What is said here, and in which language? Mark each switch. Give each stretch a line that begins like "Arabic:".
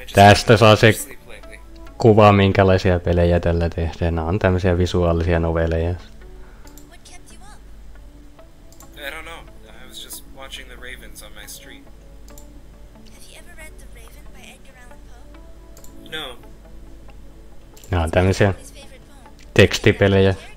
Finnish: Tästä saa se kuva, minkälaisia pelejä tällä tehdään. Nämä on tämmöisiä visuaalisia novelleja.
English: What kept you up? I don't know. I was just watching the ravens on my street. Have you ever read The Raven by Edgar Allan Poe? No.
Finnish: Nämä on tämmöisiä tekstipelejä.